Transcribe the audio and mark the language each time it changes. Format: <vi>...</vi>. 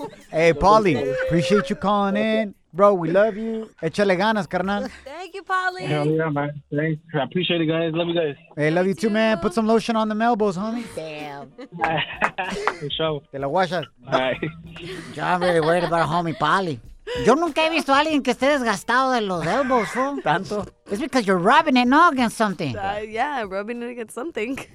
<en>Hey, Pauly, appreciate you calling in. Bro, we love you. Échale ganas, carnal. Thank you, Pauly. Yeah, man. Thanks. I appreciate it, guys. Love you guys. Hey, love you too, man. Put some lotion on the elbows, homie. Damn. For sure.</en> <es>Te la guayas.</es> <en>Bye. Yo, I'm really worried about homie Pauly.</en> <es>Yo nunca he visto a alguien que esté desgastado de los elbows, ¿no? Tanto.</es> <en>It's because you're rubbing it, ¿no? Against something. Yeah, rubbing it against something.</en>